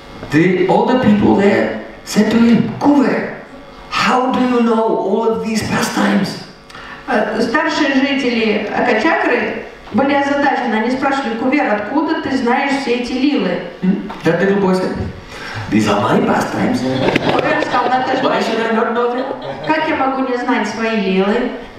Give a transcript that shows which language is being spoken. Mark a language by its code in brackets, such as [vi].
[en] The older people there said to him, Куве, how do you know all of these pastimes? [ru] Старшие жители Акачакры были озадачены. Они спрашивали, Куве, откуда ты знаешь все эти лилы? [en] That little boy said, these are my pastimes. [ru] Куве сказал, это же... [en] Why should I not know them? [ru] Как я могу не знать свои лилы?